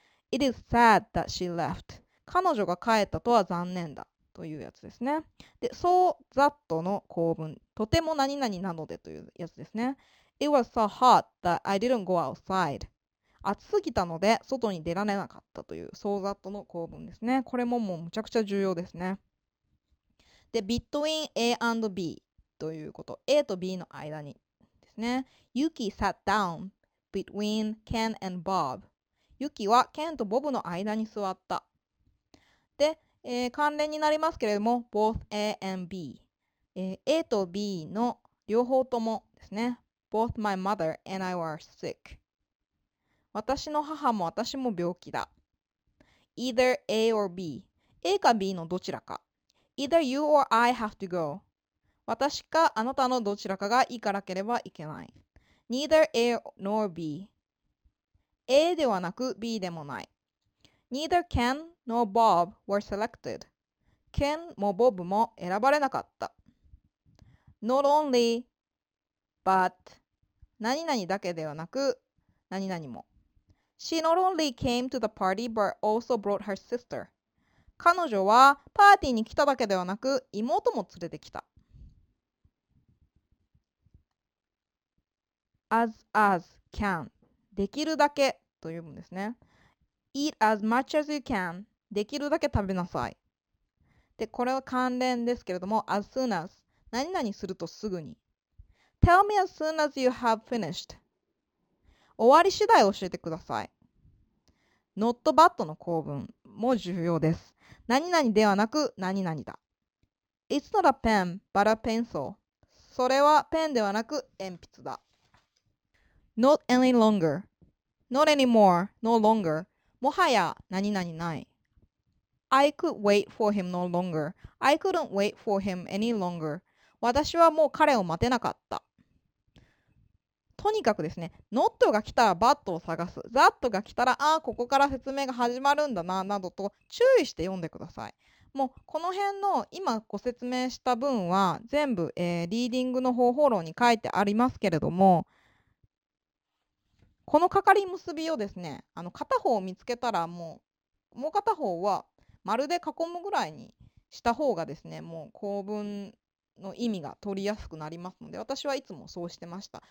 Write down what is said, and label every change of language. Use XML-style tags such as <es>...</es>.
<en>it is sad that she left、</en> <ja>彼女が帰ったとは残念だというやつですね。で、 so that の構文、とても何々なのでというやつですね。</ja> <en>it was so hot that I didn't go outside、</en> <ja>暑すぎたので外に出られなかったという、 so that の構文ですね。これももうむちゃくちゃ重要ですね。で、between A and B ということ。</ja> <en>A</en> <ja>と B の間にですね。</ja> <en>Yuki sat down between Ken and Bob。</en> <ja>Yuki はケンとボブの間に座った。で、関連になりますけれども、both A and B。 A と B の両方ともですね。</ja> <en>both my mother and I were sick。</en> <ja>私の母も私も病気だ。</ja> <en>Either A or B。</en> <ja>A か B のどちらか。</ja> <en>Either you or I have to go。</en> <ja>私かあなたのどちらかが行かなければいけない。</ja> <en>Neither A nor B。</en> <ja>A ではなく B でもない。</ja> <en>Neither Ken nor Bob were selected。</en> <ja>Ken も Bob も選ばれなかった。</ja> <en>Not only, but</en> <ja>何々だけではなく何々も。</ja> <en>She not only came to the party, but also brought her sister.</en> <ja>彼女はパーティーに来ただけではなく、妹も連れてきた。</ja> <en>As can.</en> <ja>できるだけというんですね。</ja> <en>Eat as much as you can.</en> <ja>できるだけ食べなさい。で、これは関連ですけれども、as soon as。何々するとすぐに。</ja> <en>Tell me as soon as you have finished.</en> <ja>終わり次第教えてください。Not bad の構文も重要です。何々ではなく何々だ。</ja> <en>It's not a pen, but a pencil.</en> <ja>それはペンではなく鉛筆だ。</ja> <en>Not any longer. Not anymore. No longer.</en> <ja>もはや何々ない。</ja> <en>I could wait for him no longer. I couldn't wait for him any longer.</en> <ja>私はもう彼を待てなかった。とにかくですね、not が来たら bad を探す、that が来たら、ああ、ここから説明が始まるんだな、などと注意して読んでください。もう、この辺の今ご説明した文は、全部、リーディングの方法論に書いてありますけれども、このかかり結びをですね、片方を見つけたら、もう片方は、まるで囲むぐらいにした方がですね、もう、構文の意味が取りやすくなりますので、私はいつもそうしてました。</ja>